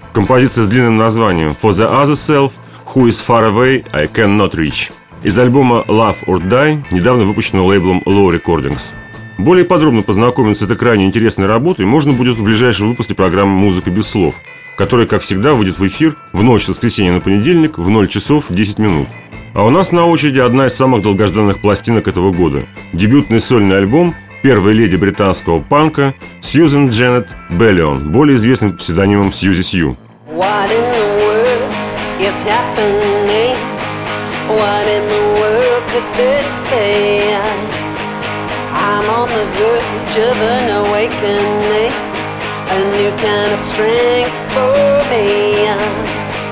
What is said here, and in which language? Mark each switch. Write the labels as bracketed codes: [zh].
[ru] Композиция с длинным названием [en] «For the other self, who is far away, I cannot reach». [ru] Из альбома «Love or Die», недавно выпущенного лейблом «Low Recordings». Более подробно познакомиться с этой крайне интересной работой можно будет в ближайшем выпуске программы «Музыка без слов», которая, как всегда, выйдет в эфир в ночь с воскресенья на понедельник в 0 часов 10 минут. А у нас на очереди одна из самых долгожданных пластинок этого года – дебютный сольный альбом первой леди британского панка Сьюзен Дженнет Беллион, более известным под псевдонимом Сьюзи Сью. [en] What in the world is happening? What in the world could this be? I'm on the verge of an awakening, a new kind of strength for me.